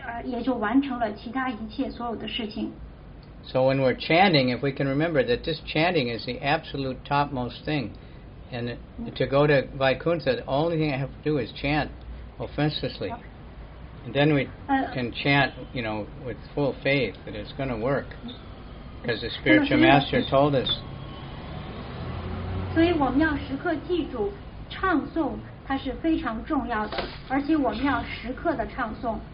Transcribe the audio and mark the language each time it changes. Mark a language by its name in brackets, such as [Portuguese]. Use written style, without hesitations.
[Chinese] 那么通过对Krishna做奉爱服务，那么一个人他就能够自动的，也就完成了其他一切所有的事情。 [English] So when we're chanting, if we can remember that this chanting is the absolute topmost thing, and to go to Vaikuntha, the only thing I have to do is chant offenselessly. And then we can chant, you know, with full faith that it's going to work, because the spiritual master told us. [Chinese] 所以我们要时刻记住唱诵它是非常重要的，而且我们要时刻的唱诵。